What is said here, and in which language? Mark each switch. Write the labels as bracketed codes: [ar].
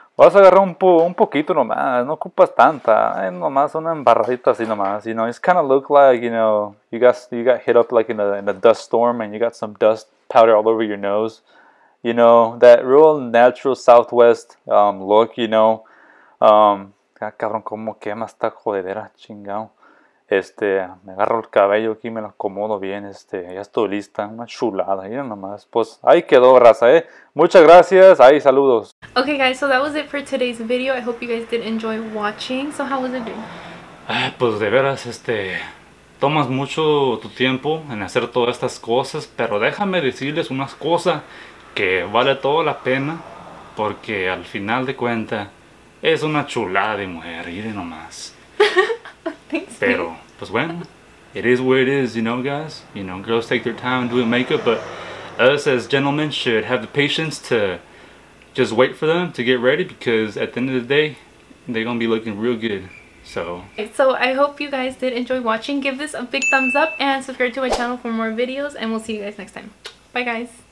[es] Vas a agarrar un poquito nomás, no ocupas tanta, nomás una embarradita así nomás, [en] you know, it's kind of look like, you know, [es] you got hit up like in a dust storm and you got some dust powder all over your nose, you know, that real natural southwest look, you know, cabrón, como quema esta jodedera, chingado, me agarro el cabello aquí, me lo acomodo bien, ya estoy lista, una chulada, mira nomás, pues ahí quedó raza, muchas gracias, ahí saludos. [en] Okay guys, so that was it for today's video. I hope you guys did enjoy watching. So how was it doing? [es] Pues de veras, tomas mucho tu tiempo en hacer todas estas cosas, pero déjame decirles unas cosas que vale toda la pena, porque al final de cuentas, es una chulada de mujer, mire nomás. [en] Thanks, [es] pero, pues bueno, [en] it is what it is, you know guys? You know, girls take their time doing makeup, but us as gentlemen should have the patience to just wait for them to get ready, because at the end of the day, they're gonna be looking real good. So. So I hope you guys did enjoy watching. Give this a big thumbs up and subscribe to my channel for more videos, and we'll see you guys next time. Bye guys.